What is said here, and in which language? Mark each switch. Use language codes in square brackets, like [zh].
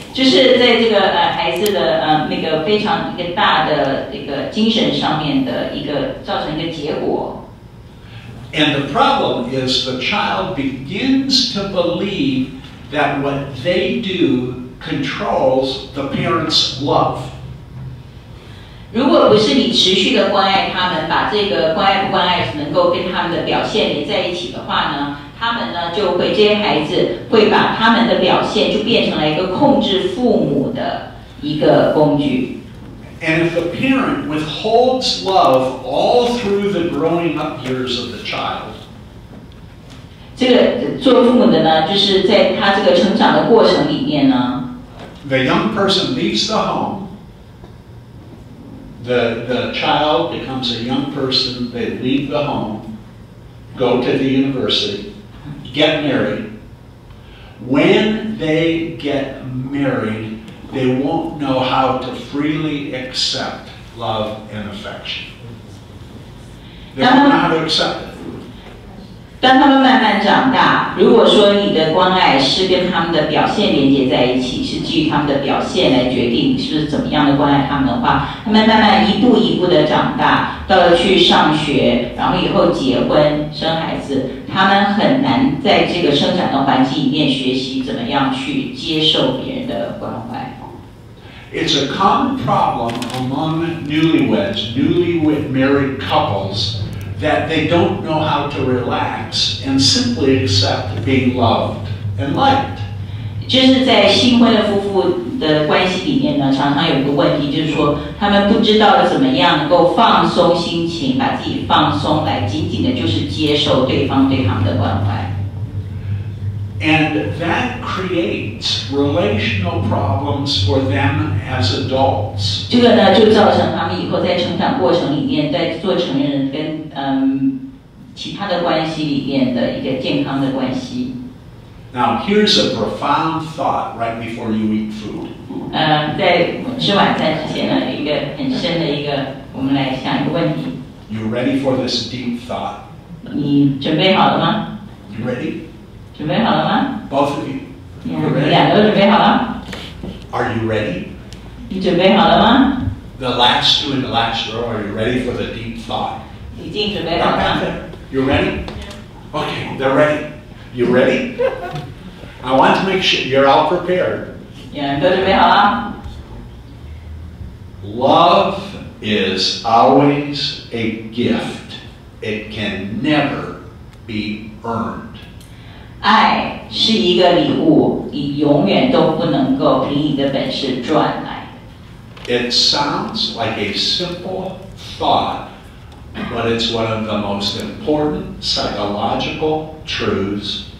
[zh] 就是在这个孩子的那个非常一个大的一个精神上面的一个造成一个结果。 [en] And the problem is the child begins to believe that what they do controls the parents' love. [zh] 如果不是你持续的关爱他们，把这个关爱不关爱能够跟他们的表现连在一起的话呢，他们呢就会这些孩子会把他们的表现就变成了一个控制父母的一个工具。 [en] And if a parent withholds love all through the growing up years of the child, [zh] 这个做父母的呢，就是在他这个成长的过程里面呢， [en] the young person leaves the home. The child becomes a young person. They leave the home, go to the university, get married. When they get married. They won't know how to freely accept love and affection. They won't know how to accept it. [zh] 当他们慢慢长大，如果说你的关爱是跟他们的表现连接在一起，是基于他们的表现来决定你是不是怎么样的关爱他们的话，他们慢慢一步一步的长大，到了去上学，然后以后结婚生孩子，他们很难在这个生长的环境里面学习怎么样去接受别人的关怀。 [en] It's a common problem among newlyweds, newlywed married couples. That they don't know how to relax and simply accept being loved and liked. [zh] 就是在新婚的夫妇的关系里面呢，常常有一个问题，就是说他们不知道怎么样能够放松心情，把自己放松，来紧紧的就是接受对方对他们的关怀。 [en] And that creates relational problems for them as adults. [zh] 这个呢，就造成他们以后在成长过程里面，在做成人跟其他的关系里面的一个健康的关系。 [en] Now here's a profound thought right before you eat food. [zh] 在吃晚餐之前呢，一个很深的一个，我们来想一个问题。 [en] You ready for this deep thought? [zh] 你准备好了吗 [en] ？You ready? [zh] 准备好了吗 [en] ？Both of you. [zh] Yeah, 两个都准备好了。 [en] Are you ready? [zh] 你准备好了吗 [en] ？The last two and the last row. Are you ready for the deep thought? [zh] 已经准备好了吗。 [en] You ready? Okay, they're ready. You ready? I want to make sure you're all prepared. [zh] Yeah, 你都准备好了。 [en] Love is always a gift. It can never be earned. [zh] 爱是一个礼物，你永远都不能够凭你的本事赚来。 [en] It sounds like a simple thought, but it's one of the most important psychological truths.